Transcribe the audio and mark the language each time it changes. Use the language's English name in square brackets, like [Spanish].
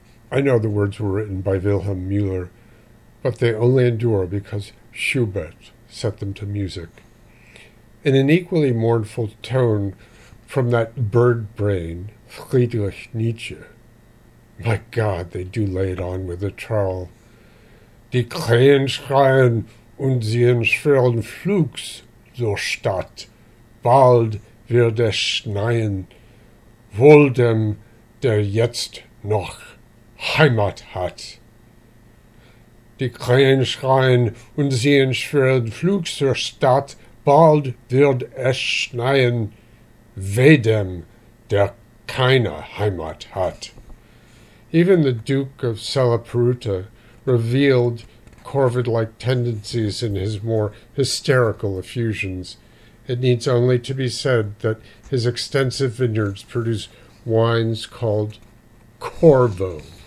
[English] I know the words were written by Wilhelm Müller, but they only endure because Schubert set them to music. In an equally mournful tone from that bird brain, Friedrich Nietzsche. My God, they do lay it on with a trowel. [German] Die Krähen schreien und sehen schweren Flugs so statt. Bald wird es schneien. Wohl dem, der jetzt noch Heimat hat. Die Krähen schreien und sehen schweren Flugs zur Stadt. Bald wird es schneien. Weh dem, der keine Heimat hat. [English] Even the Duke of Salaperuta revealed Corvid-like tendencies in his more hysterical effusions. It needs only to be said that his extensive vineyards produce wines called Corvo.